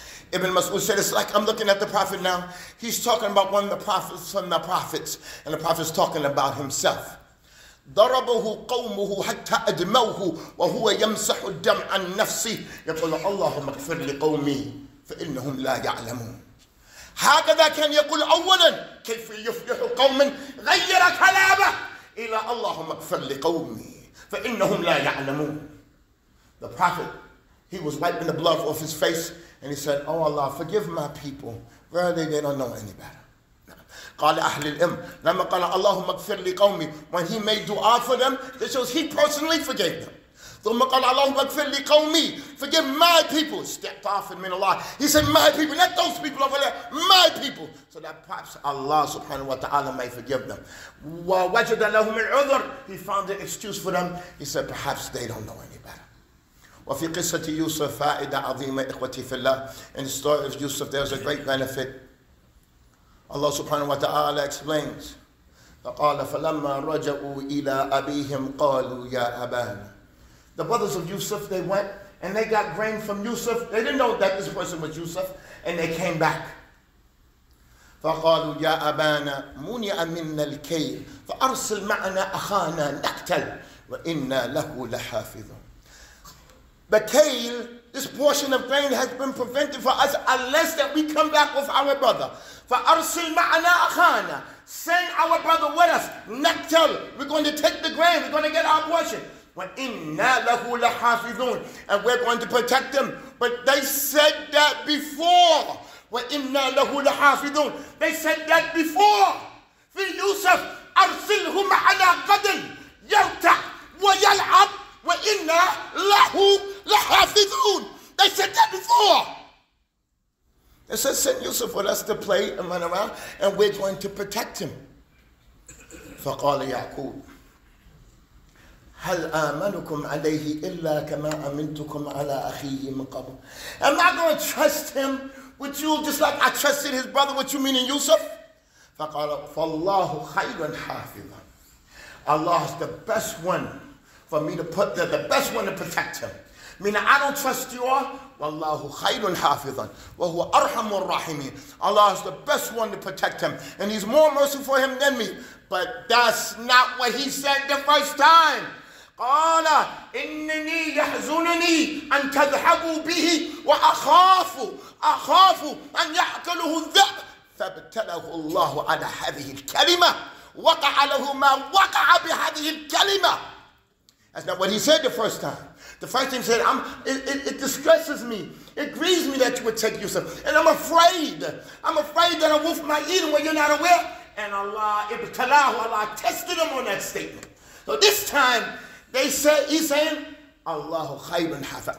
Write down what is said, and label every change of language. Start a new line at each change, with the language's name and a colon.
English: Ibn Mas'ud said, it's like I'm looking at the Prophet now. He's talking about one of the Prophets from the Prophets and the Prophet's talking about himself.
Arabic: ضربه قومه حتى أدموه وهو يمسح الدم عن نفسه يقول اللهم اغفر لقومي فإنهم لا يعلمون. هكذا كان يقول أولا كيف يفلح قوم غير كلامه إلى اللهم اغفر لقومي فإنهم لا يعلمون.
English: The Prophet, he was wiping the blood off his face and he said, oh Allah, forgive my people. Really, they don't know any better.
Arabic: قال أهل الإم لما قال اللهم اغفر لقومي,
English: when he made dua for them, this shows he personally forgave them.
Arabic: ثم قال اللهم اغفر لقومي,
English: forgive my people. Stepped off and meant Allah. He said, my people, not those people over there, my people. So that perhaps Allah subhanahu wa ta'ala may forgive them.
Arabic: ووجد لهم العذر,
English: he found an excuse for them. He said, perhaps they don't know any better.
Arabic: وفي قصة يوسف فائدة عظيمة إخوتي في الله.
English: In the story of Yusuf, there's a great benefit. Allah subhanahu wa ta'ala explains.
Arabic: فقال فلما رجعوا إلى أبيهم قالوا يا أبانا.
English: The brothers of Yusuf, they went and they got grain from Yusuf. They didn't know that this person was Yusuf. And they came back.
Arabic: فقالوا يا أبانا منع منا الكيل فأرسل معنا أخانا نقتل وإنا له لحافظون.
English: The kail, this portion of grain has been prevented for us unless that we come back with our brother.
Arabic: فأرسل معنا أخانا.
English: Send our brother with us.
Arabic: نقتل.
English: We're going to take the grain. We're going to get our portion.
Arabic: وَإِنَّا لَهُ لَحَافِظُونَ.
English: And we're going to protect them. But they said that before.
Arabic: وَإِنَّا لَهُ لَحَافِظُونَ.
English: They said that before.
Arabic: في يوسف أرسله معنا غدا يرتع ويلعب وَإِنَّا لَهُ لَحَافِظُونَ.
English: They said that before. They said send Yusuf with us to play and run around and we're going to protect him.
Arabic: فَقَالَ يَعْقُوبُ هل آمنكم عليه إلا كما آمنتكم على أخيه من قبل.
English: Am I going to trust him with you just like I trusted his brother with you meaning Yusuf?
Arabic: فقال فالله خير حافظا.
English: Allah is the best one for me to put there, the best one to protect him. Meaning I don't trust you all.
Arabic: والله خير حافظا وهو أرحم الراحمين.
English: Allah is the best one to protect him and he's more merciful him than me. But that's not what he said the first time.
Arabic: قال إنني يحزنني أن تذهبوا به وأخاف أخاف أن يأكله الذئب. فابتله الله على هذه الكلمة وقع له ما وقع بهذه الكلمة.
English: That's not what he said the first time. The first time he said, it distresses me. It grieves me that you would take Yusuf. And I'm afraid. I'm afraid that a wolf might eat him when you're not aware. And Allah, Ibn Talahu, Allah tested him on that statement. So this time, he's saying,
Arabic: Allahu khayrun hafiz.